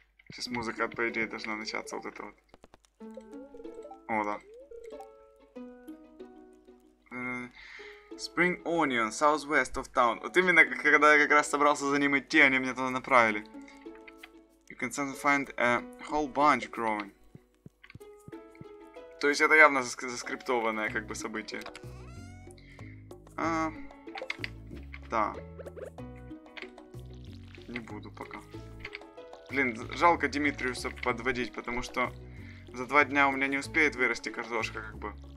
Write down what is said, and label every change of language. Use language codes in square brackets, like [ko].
[ru] Сейчас музыка, по идее, должна начаться вот это вот. О, да. [en] Spring Onion, southwest of town. [ru] Вот именно, когда я как раз собрался за ним идти, они меня туда направили. [en] You can sometimes find a whole bunch growing. [ru] То есть это явно заскриптованное как бы событие. Да. Не буду пока. Блин, жалко Димитриуса подводить, потому что за 2 дня у меня не успеет вырасти картошка как бы.